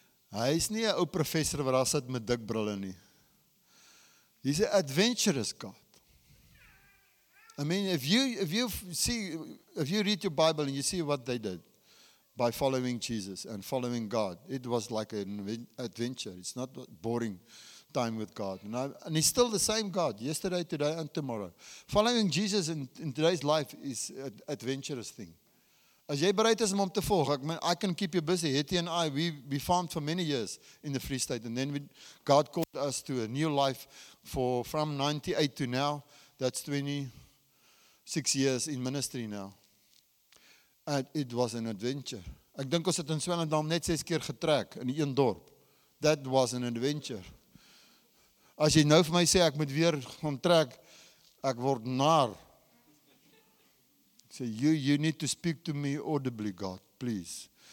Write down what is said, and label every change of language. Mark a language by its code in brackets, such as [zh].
[af] Hy is nie 'n ou professor wat daar sit met dik brille nie. [en] He's an adventurous God. I mean, if you read your Bible and you see what they did by following Jesus and following God, it was like an adventure. It's not boring time with God. And he's still the same God, yesterday, today, and tomorrow. Following Jesus in today's life is an adventurous thing. [af] As jy bereid is om hom te volg, [en] I can keep you busy. Hetty and I, we farmed for many years in the Free State. And then God called us to a new life from 98 to now. That's 26 years in ministry now. And it was an adventure. [af] Ek dink ons het in Swellendam net 6 keer getrek in een dorp. [en] That was an adventure. [af] As jy nou vir my sê, ek moet weer gaan trek, ek word naar. [en] Say, you need to speak to me audibly, God, please.